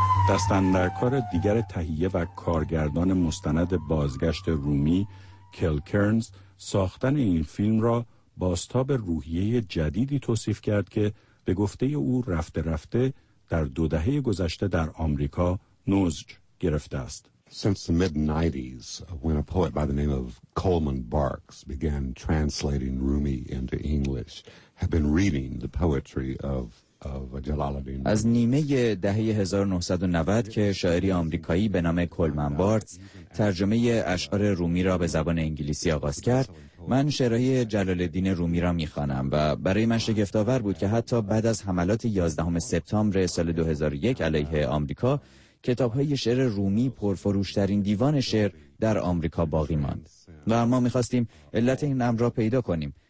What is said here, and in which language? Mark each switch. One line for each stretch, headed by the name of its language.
Persian: دستندرکار دیگر تهیه و کارگردان مستند بازگشت رومی، کل کرنز، ساختن این فیلم را بازتاب روحیه جدیدی توصیف کرد که به گفته او رفته رفته در دو دهه گذشته در آمریکا نضج گرفته است.
English: Since the mid-90s, when a poet by the name of Coleman Barks began translating Rumi into English, have been reading the poetry of
Persian: از نیمه دهه 1990 که شاعری آمریکایی به نام کولمن بارتز ترجمه اشعار رومی را به زبان انگلیسی آغاز کرد، من شعرهای جلال الدین رومی را می‌خوانم و برای من شگفت‌آور بود که حتی بعد از حملات 11 سپتامبر سال 2001 علیه آمریکا، کتاب‌های شعر رومی پرفروش‌ترین دیوان شعر در آمریکا باقی ماند و ما می‌خواستیم علت این امر را پیدا کنیم.